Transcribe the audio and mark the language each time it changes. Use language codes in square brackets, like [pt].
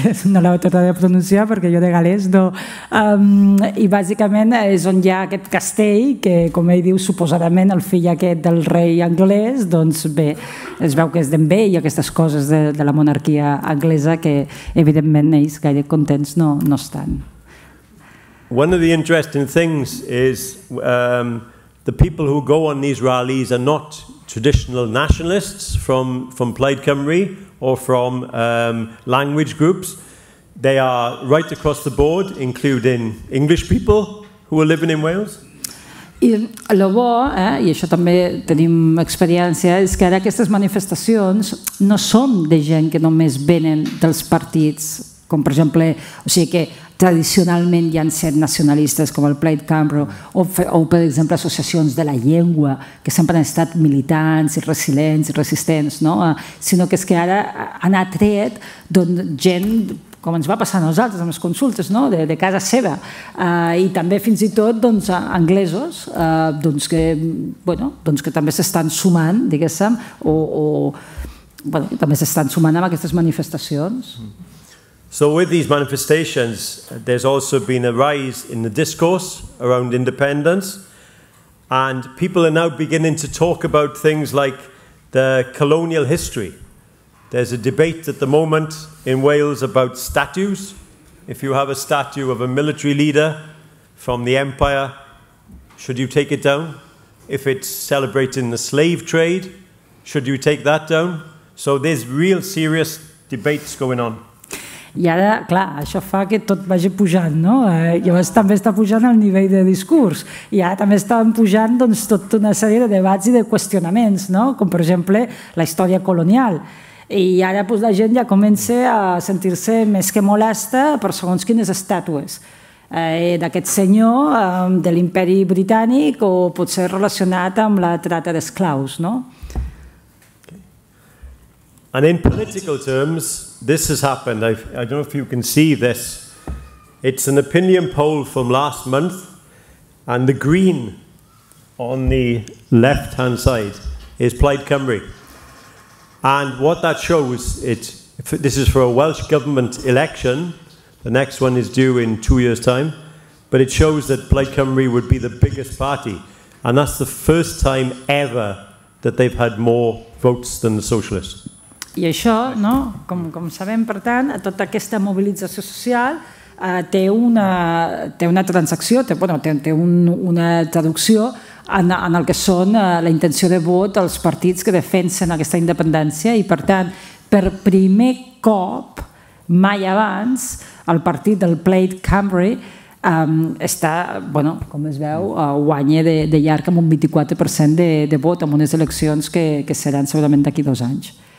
[ca] No l'heu tratat de pronunciar perquè jo de galès no. I bàsicament és on hi ha aquest castell que, com ell diu, suposadament el fill aquest del rei anglès, doncs bé, es veu que és d'en vell, aquestes coses de la monarquia anglesa, que evidentment ells gaire contents no estan. [en] One of the interesting things is the people who go on these rallies are not traditional nationalists from Plaid Cymru or from language groups. They are right across the board, including English people who are living in Wales. [ca] I el bo, i això també tenim experiència, és que ara aquestes manifestacions no són de gent que només venen dels partits, com per exemple, o sigui que tradicionalment hi han set nacionalistes com el Plaid Cymru o per exemple associacions de la llengua que sempre han estat militants i resilients i resistents, no? Sinó que és que ara han atret gent com ens va passar a nosaltres amb les consultes, no? De casa seva, i també fins i tot doncs anglesos, que també s'estan sumant, diguéssim, o també s'estan sumant amb aquestes manifestacions. [en] So with these manifestations, there's also been a rise in the discourse around independence, and people are now beginning to talk about things like the colonial history. There's a debate at the moment in Wales about statues. If you have a statue of a military leader from the empire, should you take it down? If it's celebrating the slave trade, should you take that down? So there's real serious debates going on. [ca] I ara, clar, això fa que tot vagi pujant, no? Llavors també està pujant el nivell de discurs. I ara també estan pujant doncs, tot una sèrie de debats i de qüestionaments, no? Com per exemple la història colonial. I ara doncs, la gent ja comença a sentir-se més que molesta per segons quines estàtues d'aquest senyor de l'imperi britànic o potser relacionat amb la trata d'esclaus, no? [en] And in political terms, this has happened. I don't know if you can see this. It's an opinion poll from last month, and the green on the left-hand side is Plaid Cymru. And what that shows, this is for a Welsh government election. The next one is due in 2 years' time. But it shows that Plaid Cymru would be the biggest party. And that's the first time ever that they've had more votes than the Socialists. [ca] I això, no? com sabem, per tant, tota aquesta mobilització social té una transacció, té una traducció en el que són la intenció de vot als partits que defensen aquesta independència i, per tant, per primer cop mai abans el partit del Plaid Cymru guanya de llarg amb un 24% de vot en unes eleccions que seran segurament d'aquí 2 anys.